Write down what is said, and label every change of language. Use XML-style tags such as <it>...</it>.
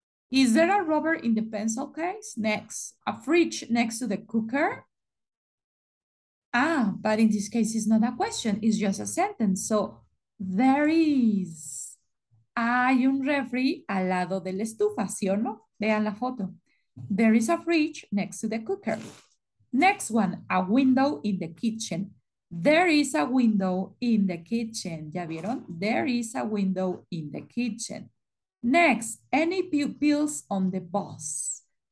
<en>Is there a rubber in the pencil case? Next, a fridge next to the cooker. Ah, but in this case, it's not a question. It's just a sentence. So there is.</en> <es>Hay un refri al lado de la estufa, ¿sí o no? Vean la foto.</es> <en>There is a fridge next to the cooker. Next one, a window in the kitchen. There is a window in the kitchen.</en> <es>¿Ya vieron?</es> <en>There is a window in the kitchen. Next, any pupils on the bus?</en>